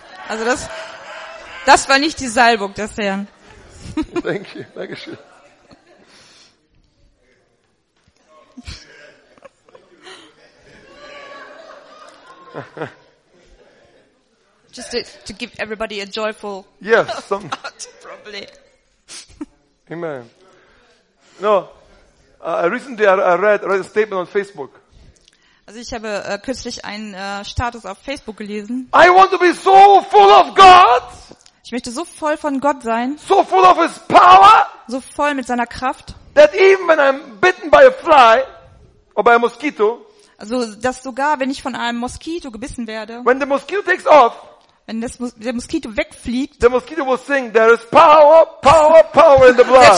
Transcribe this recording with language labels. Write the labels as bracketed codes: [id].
[de] Also, das war nicht die Salbung des Herrn. [en] Thank you, [de] danke schön. [en] Just to give everybody a joyful. Yes, some. Probably. Amen. No, I recently read a statement on Facebook. [de] Also ich habe kürzlich einen Status auf Facebook gelesen. [en] I want to be so full of God. [de] Ich möchte so voll von Gott sein. [en] So full of His power. [de] So voll mit seiner Kraft. [en] That even when I'm bitten by a fly or by a mosquito. [de] Also, dass sogar, wenn ich von einem Moskito gebissen werde, [en] when the mosquito takes off, [de] wenn der Moskito wegfliegt, [en] the mosquito will sing, there is power, power, power in the blood.